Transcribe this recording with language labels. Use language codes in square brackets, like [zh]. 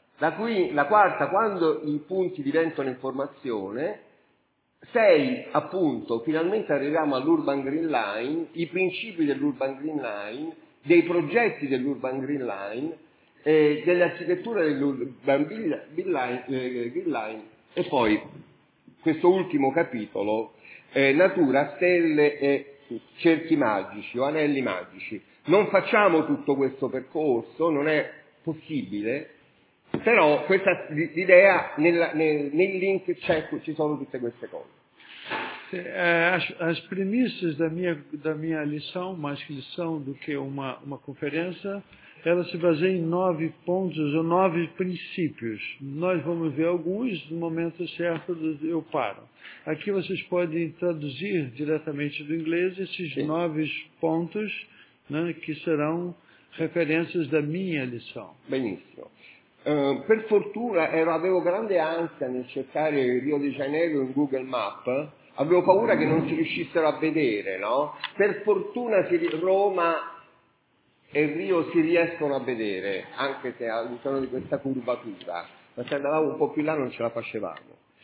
[it] Da qui la quarta, quando i punti diventano informazione, sei appunto, finalmente arriviamo all'Urban Green Line, i principi dell'Urban Green Line, dei progetti dell'Urban Green Line, dell'architettura dell'Urban Green Line, e poi questo ultimo capitolo, natura, stelle e cerchi magici o anelli magici. Non facciamo tutto questo percorso, non è possibile, però questa l'idea nel link c'è, ci sono tutte queste cose. [pt] As premissas da minha lição, mais que lição do que uma conferência, ela se baseia em 9 pontos ou 9 princípios. Nós vamos ver alguns, no momento certo eu paro. Aqui vocês podem traduzir diretamente do inglês esses 9 pontos, né, que serão referências da minha lição. [it] Beníssimo. Per fortuna avevo grande ansia nel cercare Rio de Janeiro in Google Maps. Avevo paura che non si riuscissero a vedere, no? Per fortuna Roma e Rio si riescono a vedere, anche se all'interno di questa curvatura, ma se andavamo un po' più là non ce la facevamo.